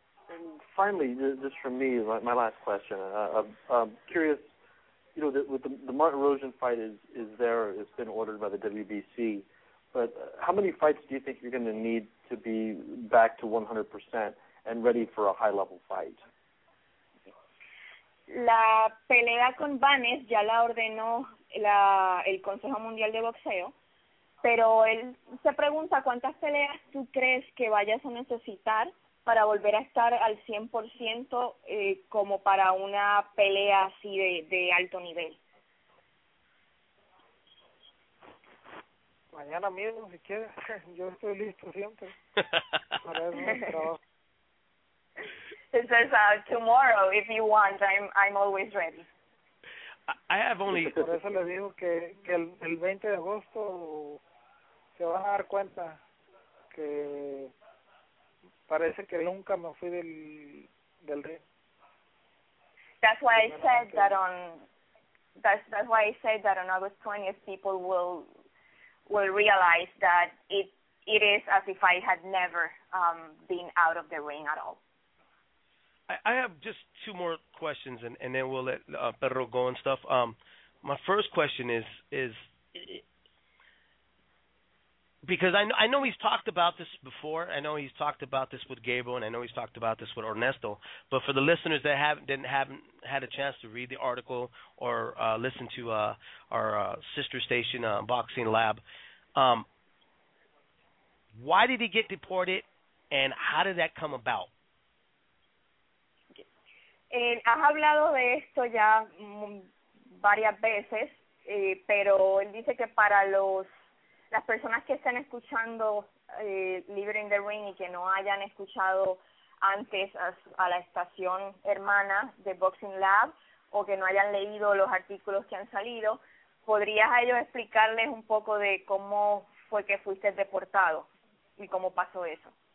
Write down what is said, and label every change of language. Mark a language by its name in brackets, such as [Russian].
[English] And finally, just for me, my last question. I'm curious, you know, the Martin Rosen fight is there. It's been ordered by the WBC. But how many fights do you think you're going to need to be back to 100% and ready for a high-level fight? [Spanish] La pelea con Banes ya la ordenó el Consejo Mundial de Boxeo. Pero él se pregunta cuántas peleas tú crees que vayas a necesitar para volver a estar al 100% como para una pelea así de alto nivel. Mañana mismo, si quieres. Yo estoy listo siempre. Para eso, pero... [English] It says, tomorrow, if you want, I'm always ready. I have only... [Spanish] Por eso le digo que el 20 de agosto se van a dar cuenta que... Parece que nunca me fui del ring. [English] That's why I said that on August 20th people will realize that it is as if I had never been out of the ring at all. I have just two more questions and then we'll let Perro go and stuff. My first question is because I know he's talked about this before. I know he's talked about this with Gabriel, and I know he's talked about this with Ernesto. But for the listeners that haven't had a chance to read the article or listen to our sister station, Boxing Lab, why did he get deported, and how did that come about? [Spanish] Has hablado de esto ya varias veces, pero él dice que para los las personas que estén escuchando Libre in the Ring y que no hayan escuchado antes a la estación hermana de Boxing Lab o que no hayan leído los artículos que han salido, ¿podrías a ellos explicarles un poco de cómo fue que fuiste deportado y cómo pasó eso?